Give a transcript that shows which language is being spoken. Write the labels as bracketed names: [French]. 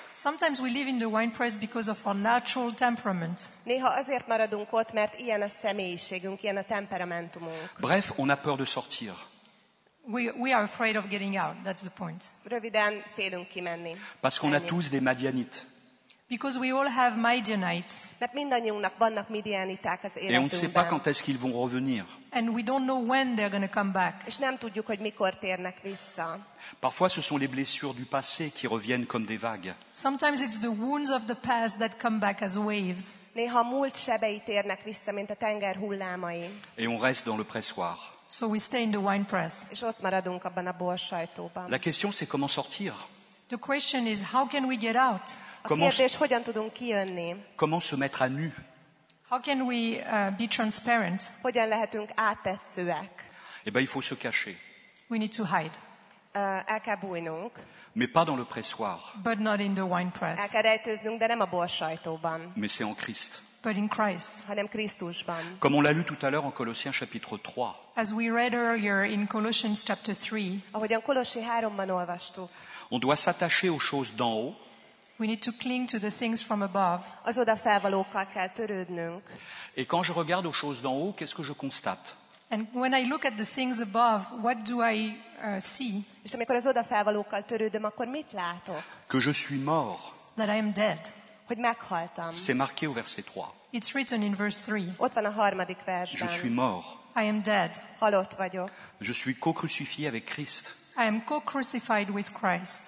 [English] Sometimes we live in the wine press because of our natural temperament. [Hungarian] Néha azért maradunk ott, mert ilyen a személyiségünk, ilyen a temperamentumunk. [French] Bref, on a peur de sortir. [English] We are afraid of getting out. That's the point. [Hungarian] Röviden, félünk kimenni. [French] Parce qu'on a tous des Madianites. [English] Because we all have Midianites. [Hungarian] Mert mindannyiunknak vannak Midianiták az életünkben. [French] Et on ne sait pas quand est-ce qu'ils vont revenir. [English] And we don't know when they're going to come back. [Hungarian] És nem tudjuk, hogy mikor térnek vissza. [French] Parfois ce sont les blessures du passé qui reviennent comme des vagues. [English] Sometimes it's the wounds of the past that come back as waves. [Hungarian] Néha múlt sebei térnek vissza, mint a tenger hullámai. [French] Et on reste dans le pressoir. [English] So we stay in the wine press. [Hungarian] És ott maradunk abban a borsajtóban. [French] La question c'est comment sortir. [English] The question is how can we get out? [Hungarian] Hogyan tudunk kijönni? [French] Comment se mettre à nu? [English] How can we be transparent? [Hungarian] Hogyan lehetünk áttetszőek? [French] Eh ben, il faut se cacher. [English] We need to hide. [Hungarian] El kell bújnunk. [French] Mais pas dans le pressoir. [English] But not in the wine press. [Hungarian] El kell rejtőznünk, de nem a borsajtóban. [French] Mais c'est en Christ. [English] But in Christ. [Hungarian] Hanem Krisztusban. [French] Comme on l'a lu tout à l'heure en Colossiens chapitre 3. [English] As we read earlier in Colossians chapter 3. [Hungarian] Ahogyan Kolossi 3-ban olvastuk. [French] On doit s'attacher aux choses d'en haut. [English] We need to cling to the things from above. [Hungarian] Az odafelvalókkal kell törődnünk. [French] Et quand je regarde aux choses d'en haut, qu'est-ce que je constate? [English] And when I look at the things above, what do I see? [Hungarian] És amikor az odafelvalókkal törődöm, akkor mit látok? [French] Que je suis mort. [English] That I am dead. [Hungarian] Hogy meghaltam. [French] C'est marqué au verset 3. [English] It's written in verse 3. [Hungarian] Ott van a harmadik versben. [French] Je suis mort. [English] I am dead. [Hungarian] Halott vagyok. [French] Je suis co-crucifié avec Christ. [English] I am co-crucified with Christ.